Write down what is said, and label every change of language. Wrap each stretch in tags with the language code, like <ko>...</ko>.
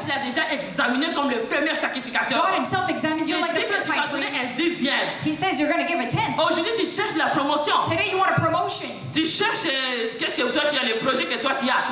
<fr>C'est Dieu qui l'a déjà examiné comme le premier sacrificateur.</fr> <en>God himself examined you like the first high priest.</en> <fr>Il dit que tu vas donner un dixième.</fr> <en>He says you're going to give a tenth.</en> <fr>Aujourd'hui tu cherches la promotion.</fr> <en>Today you want a promotion.</en> <fr>Tu cherches qu'est-ce que toi tu as, les projets que toi tu as.</fr>